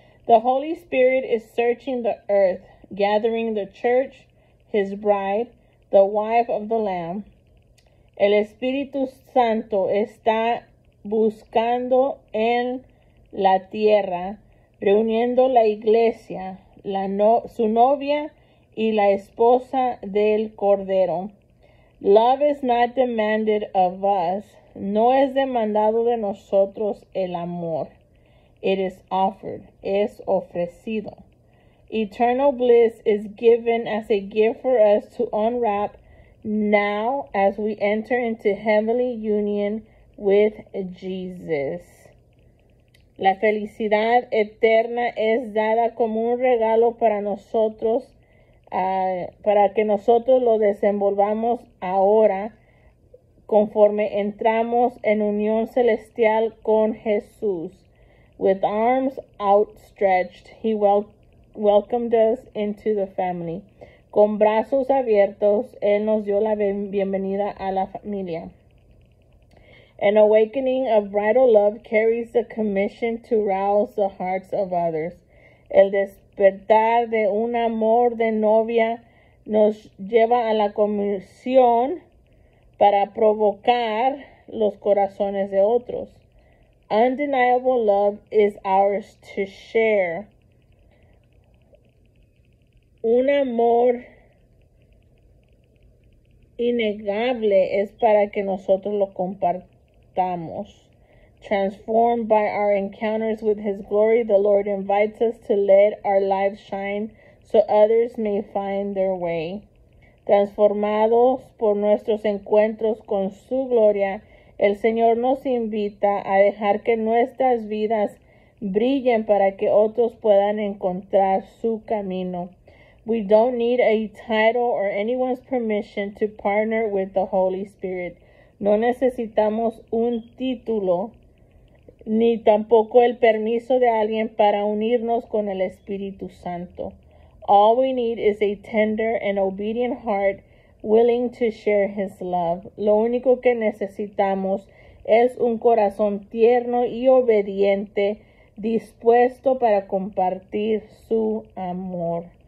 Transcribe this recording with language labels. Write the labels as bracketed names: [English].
[English] The Holy Spirit is searching the earth, gathering the church, his bride, the wife of the Lamb. [Spanish] El Espíritu Santo está buscando en la tierra, reuniendo la iglesia, su novia y la esposa del Cordero. [English] Love is not demanded of us. [Spanish] No es demandado de nosotros el amor. [English] It is offered. [Spanish] Es ofrecido. [English] Eternal bliss is given as a gift for us to unwrap now as we enter into heavenly union with Jesus. [Spanish] La felicidad eterna es dada como un regalo para nosotros, para que nosotros lo desenvolvamos ahora conforme entramos en unión celestial con Jesús. [English] With arms outstretched, he welcomed us into the family. [Spanish] Con brazos abiertos, él nos dio la bienvenida a la familia. [English] An awakening of bridal love carries the commission to rouse the hearts of others. [Spanish] El despertar de un amor de novia nos lleva a la comisión para provocar los corazones de otros. [English] Undeniable love is ours to share. [Spanish] Un amor innegable es para que nosotros lo compartamos. [English] Transformed by our encounters with his glory, the Lord invites us to let our lives shine so others may find their way. [Spanish] Transformados por nuestros encuentros con su gloria, el Señor nos invita a dejar que nuestras vidas brillen para que otros puedan encontrar su camino. [English] We don't need a title or anyone's permission to partner with the Holy Spirit. [Spanish] No necesitamos un título ni tampoco el permiso de alguien para unirnos con el Espíritu Santo. [English] All we need is a tender and obedient heart willing to share his love. [Spanish] Lo único que necesitamos es un corazón tierno y obediente dispuesto para compartir su amor.